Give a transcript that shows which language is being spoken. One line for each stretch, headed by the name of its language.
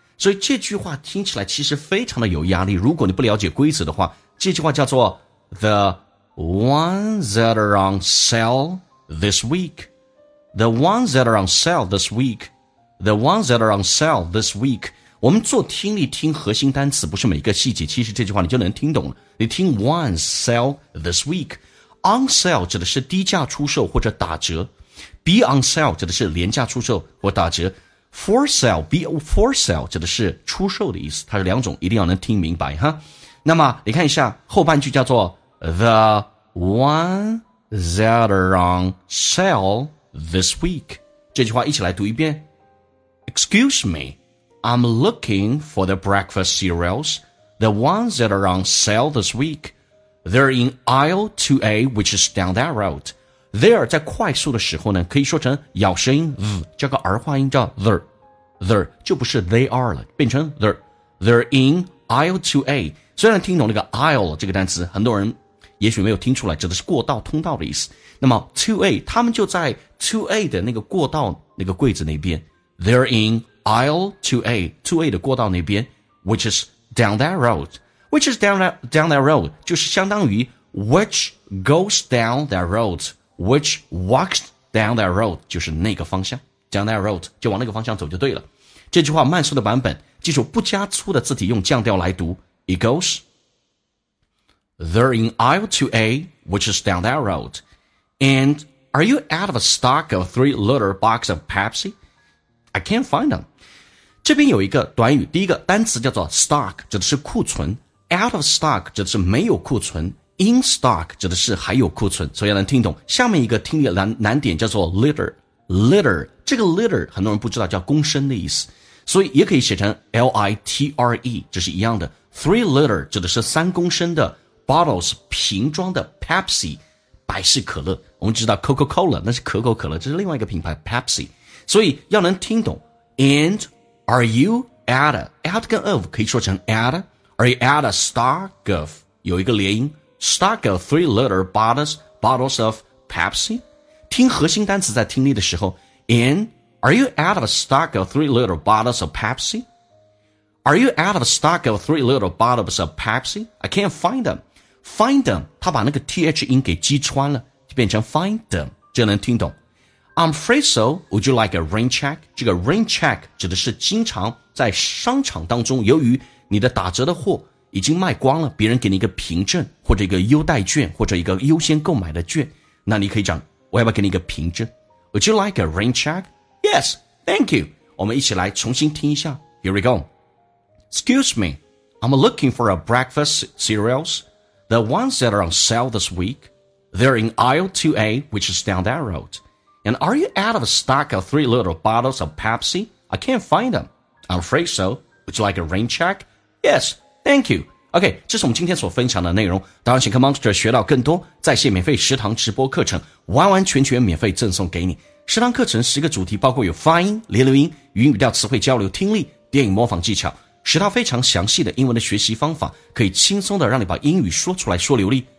Chinese: 所以这句话听起来其实非常的有压力，如果你不了解规则的话，这句话叫做
English: the ones that are on saleThis week, the ones that are on sale this week, the ones that are on sale this week.
Chinese: 我们做听力听核心单词，不是每一个细节，其实这句话你就能听懂了。你听
English: ones sale this week, on sale
Chinese: 指的是低价出售或者打折，
English: be on sale
Chinese: 指的是廉价出售或打折，
English: for sale, be for sale
Chinese: 指的是出售的意思，它是两种，一定要能听明白哈。那么你看一下后半句叫做
English: the onesThat are on sale this week.
Chinese: 这句话一起来读一遍。
English: Excuse me, I'm looking for the breakfast cereals, the ones that are on sale this week. They're in aisle 2A, which is down that road.
Chinese: There, 在快速的时候呢，可以说成咬舌音 v， 加个儿化音叫 there， 就不是
English: they are
Chinese: 了，变成 there。
English: They're in aisle 2A.
Chinese: 虽然听懂那个 aisle 这个单词，很多人也许没有听出来，指的是过道通道的意思。那么 2A 他们就在 2A 的那个过道那个柜子那边，
English: They're in aisle 2A
Chinese: 的过道那边，
English: Which is down that road， Which is down that road
Chinese: 就是相当于
English: Which goes down that road， Which walks down that road，
Chinese: 就是那个方向，
English: Down that road
Chinese: 就往那个方向走就对了。这句话慢速的版本，记住不加粗的字体，用降调来读，
English: It goesThey're in aisle 2A, which is down that road. And are you out of a stock of 3-liter box of Pepsi? I can't find them.
Chinese: 这边有一个短语，第一个单词叫做 stock， 指的是库存，
English: out of stock
Chinese: 指的是没有库存，
English: in stock
Chinese: 指的是还有库存，所以能听懂。下面一个听力难点叫做 liter， 这个 liter 很多人不知道叫公升的意思，所以也可以写成 litre， 这是一样的。 3 liter 指的是三公升的 bottles， 瓶装的 Pepsi， 百事可乐，我们知道 Coca-Cola 那是可口可乐，这是另外一个品牌 Pepsi， 所以要能听懂。
English: and are you at out 跟 of 可以说成 at， are you at a stock of，
Chinese: 有一个连音
English: stock of 3 liter bottles of Pepsi。
Chinese: 听核心单词在听力的时候，
English: and are you out of a stock of 3 liter bottles of Pepsi， are you out of a stock of 3 liter bottles of Pepsi， I can't find them， find them，
Chinese: 他把那个 th 音给击穿了，就变成
English: find them，
Chinese: 就能听懂。
English: I'm afraid so， would you like a rain check，
Chinese: 这个 rain check 指的是经常在商场当中，由于你的打折的货已经卖光了，别人给你一个凭证或者一个优待券或者一个优先购买的券，那你可以讲我要不要给你一个凭证。
English: Would you like a rain check? Yes, thank you.
Chinese: 我们一起来重新听一下。
English: Here we go. Excuse me, I'm looking for a breakfast cereals. The ones that are on sale this week, they're in aisle 2A, which is down that road. And are you out of a stock of 3 little bottles of Pepsi? I can't find them. I'm afraid so. Would you like a rain check? Yes,Thank you.
Chinese: OK, 这是我们今天所分享的内容。当然请跟 Monster 学到更多在线免费食堂直播课程，完完全全免费赠送给你。食堂课程10个主题，包括有发音、连留音、语音语调、词汇交流、听力、电影模仿技巧，10套非常详细的英文的学习方法，可以轻松的让你把英语说出来说流利。